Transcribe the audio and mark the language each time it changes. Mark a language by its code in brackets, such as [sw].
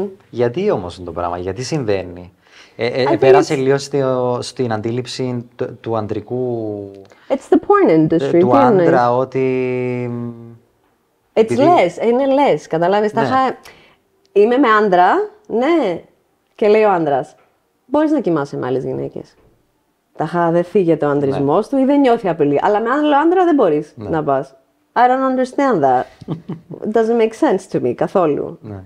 [el] Γιατί όμως είναι το πράγμα, γιατί συμβαίνει. Πέρασε λίγο στην αντίληψη του αντρικού... [en] It's the porn industry, [el] του άντρα ότι... [en] It's less, [el] είναι [en] less, [el] καταλάβες. Είμαι με άντρα, ναι, και λέει ο άντρας, μπορείς να κοιμάσαι με άλλες γυναίκες. Ταχά, δεν φύγεται ο αντρισμός του ή δεν νιώθει απειλή. Αλλά με άλλο άντρα δεν μπορείς να πας. [en] I don't understand that. It doesn't make sense to me, [el] καθόλου.